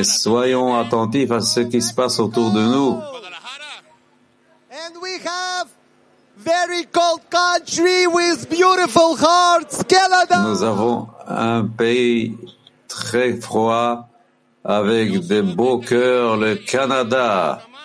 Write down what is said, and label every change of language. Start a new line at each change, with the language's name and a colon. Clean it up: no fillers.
French: Et soyons attentifs à ce qui se passe autour de nous.
English: And we have very cold country with beautiful hearts, Canada.
French: Nous avons un pays très froid avec des beaux cœurs, le Canada.